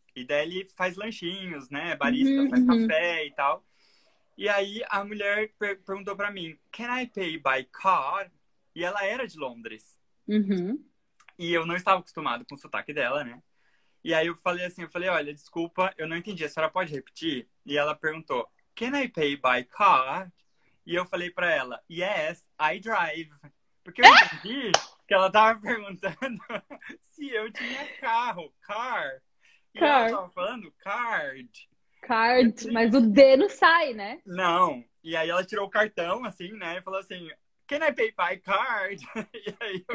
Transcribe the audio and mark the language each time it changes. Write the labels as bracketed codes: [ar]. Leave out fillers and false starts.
[pt] E deli faz lanchinhos, né? Barista faz café e tal. E aí a mulher perguntou para mim, [en] Can I pay by card? [pt] E ela era de Londres. E eu não estava acostumado com o sotaque dela, né? E aí eu falei assim, eu falei, olha, desculpa, eu não entendi, a senhora pode repetir? E ela perguntou, [en] Can I pay by car? [pt] E eu falei pra ela, [en] Yes, I drive. [pt] Porque eu entendi que ela tava perguntando se eu tinha carro, car. E ela tava falando, card. [en] Card, [pt] Falei, mas o D não sai, né? não. E aí ela tirou o cartão, assim, né? E falou assim, [en] Can I pay by card? [pt] E aí eu